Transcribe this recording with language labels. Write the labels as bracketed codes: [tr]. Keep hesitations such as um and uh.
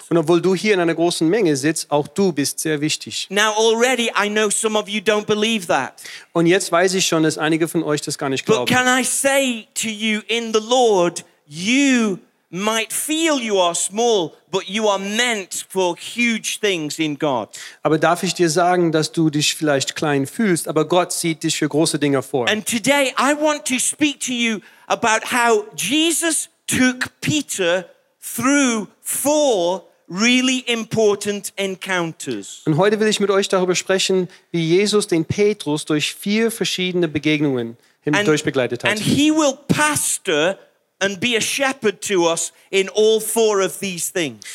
[de] Und obwohl du hier in einer großen Menge sitzt, auch du bist sehr wichtig. [en] Now already, I know some of you don't believe that. Schon, but, but can I say to you in the Lord, you might feel you are small, but you are meant for huge things in God. [de] Aber darf ich dir sagen, dass du dich vielleicht klein fühlst, aber Gott sieht dich für große Dinge vor. [en] And today I want to speak to you about how Jesus took Peter through four really important encounters. [de] Und heute will ich mit euch darüber sprechen, wie Jesus den Petrus durch vier verschiedene Begegnungen hindurch hat. [en] And he will pastor and be a shepherd to us in all four of these things.